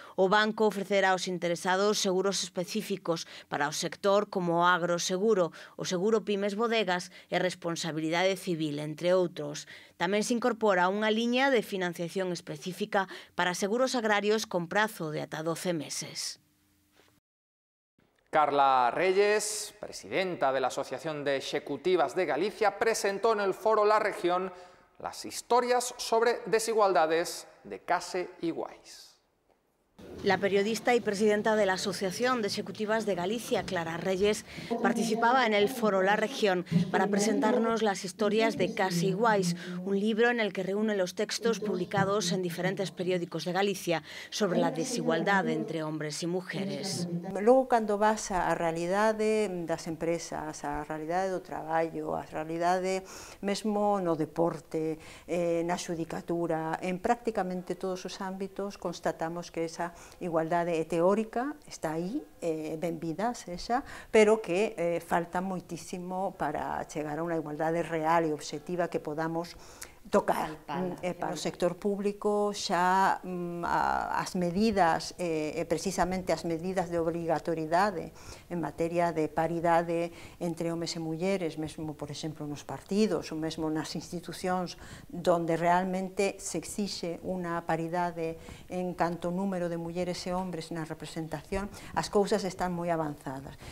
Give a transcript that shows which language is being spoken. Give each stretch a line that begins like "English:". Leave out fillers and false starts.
Galician: O banco ofrecerá aos interesados seguros específicos para o sector como o agroseguro, o seguro Pymes Bodegas e responsabilidade civil, entre outros. Tamén se incorpora unha liña de financiación específica para seguros agrarios con prazo de ata 12 meses.
Spanish: Carla Reyes, presidenta de la Asociación de Executivas de Galicia, presentó en el foro La Región las historias sobre desigualdades de case iguais. La periodista y presidenta de la Asociación de Executivas de Galicia, Clara Reyes, participaba en el foro La Región para presentarnos las historias de Case Iguais, un libro en el que reúne los textos publicados en diferentes periódicos de Galicia sobre la desigualdad entre hombres y mujeres. Luego, cuando vas a la realidad de las empresas, a la realidad del trabajo, a la realidad de,
Galician: mismo no deporte,
Spanish: en la judicatura, en prácticamente todos los ámbitos, constatamos que esa
Galician: igualdade teórica está aí, ben vida, sexa, pero que falta moitísimo para chegar a unha igualdade real e obxectiva que podamos tocar. Para o sector público xa as medidas, precisamente as medidas de obrigatoriedade en materia de paridade entre homens e mulleres, mesmo, por exemplo, nos partidos ou mesmo nas institucións donde realmente se exixe unha paridade en canto número de mulleres e hombres na representación, as cousas están moi avanzadas.